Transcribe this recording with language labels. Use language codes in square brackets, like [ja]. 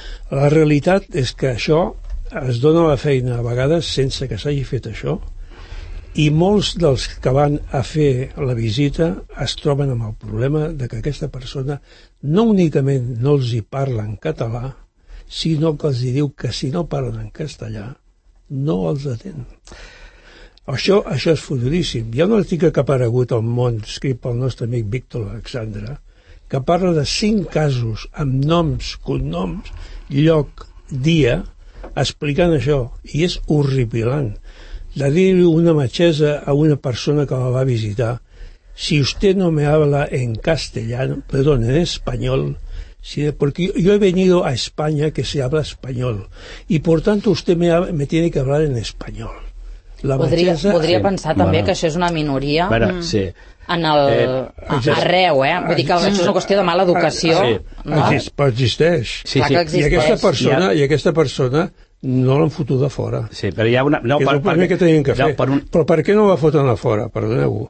[ca] La realitat és que això es dona la feina a vegades sense que s'hagi fet això, i molts dels que van a fer la visita es troben amb el problema de que aquesta persona no únicament no els hi parla en català, sinó que els hi diu que si no parlen en castellà no els atén. Això és fotudíssim. Hi ha un article que ha aparegut al Món, escrit pel nostre amic Víctor Alexandre, que parla de 5 casos amb noms, cognoms, lloc, dia, explicant això, i és horripilant. De dir-li una metgessa a una persona que la va visitar: [es] si usted no me habla en castellano, perdón, en español, porque yo he venido a España que se habla español, y por tanto usted me tiene que hablar en español. [ca] La podria metgessa, podria sí, pensar també, bueno, que això és una minoria, bueno, sí, en el, arreu, eh? Vull dir que això és una qüestió de mala educació. Sí. No? Existeix. Sí, sí. Existeix. I aquesta persona, ja, i aquesta persona no l'han fotut de fora. Sí, però hi ha una... No, és el primer que tenien que fer. No, per un... Però per què no la foten a fora? Perdoneu-ho.